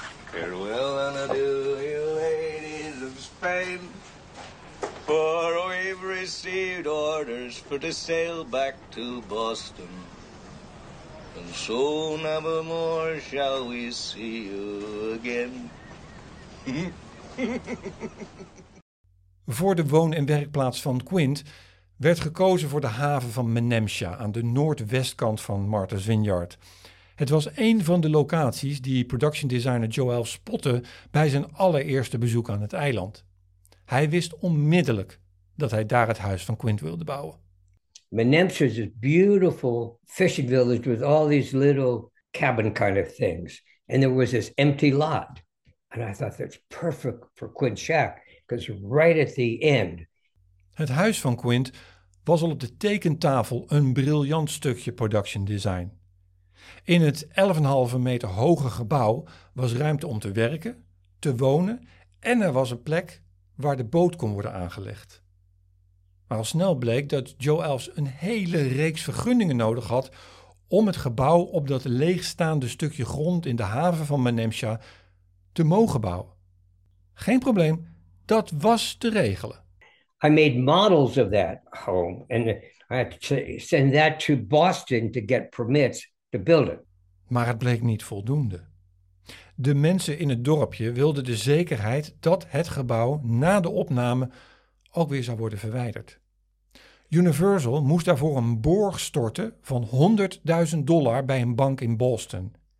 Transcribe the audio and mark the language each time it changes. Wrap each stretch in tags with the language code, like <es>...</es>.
<en>Farewell and adieu, you ladies of Spain. For we've received orders for to sail back to Boston. And so never more shall we see you again.</en> <nl>Voor de woon- en werkplaats van Quint werd gekozen voor de haven van Menemsha aan de noordwestkant van Martha's Vineyard. Het was een van de locaties die production designer Joel spotte bij zijn allereerste bezoek aan het eiland. Hij wist onmiddellijk dat hij daar het huis van Quint wilde bouwen.</nl> <en>Menemsha is a beautiful fishing village with all these little cabin kind of things. And there was this empty lot. And I thought that's perfect for Quint's shack, because right at the end.</en> <nl>Het huis van Quint was al op de tekentafel een briljant stukje production design. In het 11,5 meter hoge gebouw was ruimte om te werken, te wonen en er was een plek waar de boot kon worden aangelegd. Maar al snel bleek dat Joe Elfs een hele reeks vergunningen nodig had om het gebouw op dat leegstaande stukje grond in de haven van Manemsha te mogen bouwen. Geen probleem, dat was te regelen.</nl> <en>I made models of that home and I had to send that to Boston to get permits to build it.</en> <nl>Maar het bleek niet voldoende. De mensen in het dorpje wilden de zekerheid dat het gebouw na de opname ook weer zou worden verwijderd. Universal moest daarvoor een borg storten van $100,000 bij een bank in Boston.</nl>